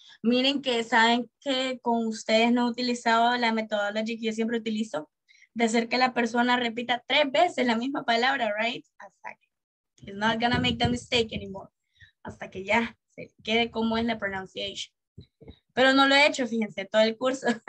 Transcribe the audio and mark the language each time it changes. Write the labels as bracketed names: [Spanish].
[Spanish] Miren que saben que con ustedes no he utilizado la metodología que yo siempre utilizo de hacer que la persona repita tres veces la misma palabra, right? Hasta que [English] it's not gonna make the mistake anymore. [Spanish] Hasta que ya se quede como es la pronunciation. Pero no lo he hecho, fíjense, todo el curso.